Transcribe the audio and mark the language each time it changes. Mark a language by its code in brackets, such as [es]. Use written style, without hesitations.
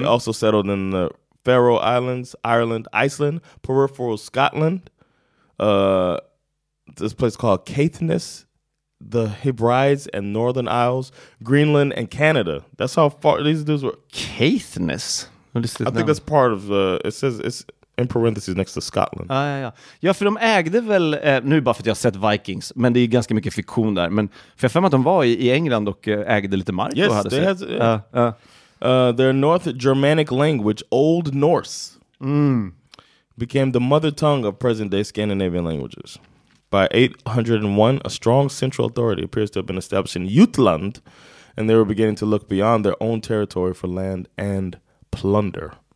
[en] They also settled in the Faroe Islands, Ireland, Iceland, peripheral Scotland, this place called Caithness, the Hebrides and Northern Isles, Greenland and Canada. That's how far these dudes were. Caithness? I think that's part of the... It says it's in parentheses next to Scotland. [sv] Ja, för de ägde väl... nu bara för att jag har sett Vikings, men det är ju ganska mycket fiktion där. Men för jag fann att de var i England och ägde lite mark. [en] Yes, [sv] och hade [en] they [sv] sett. [en] Had... Yeah. Their North Germanic language, Old Norse, became the mother tongue of present-day Scandinavian languages. By 801, a strong central authority appears to have been established in Jutland, and they were beginning to look beyond their own territory for land and plunder.